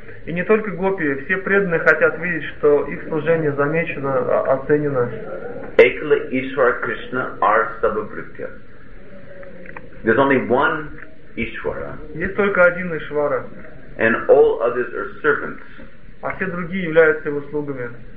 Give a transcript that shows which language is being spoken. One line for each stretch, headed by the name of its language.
Russian: И не только гопи, все преданные хотят видеть, что их служение замечено, оценено.
Bangla: Экала Ишвара Кришна ар сабабритья.
English: There's only one Ишвара.
Russian: Есть только один Ишвара.
English: And all others are servants.
Russian: А все другие являются его слугами.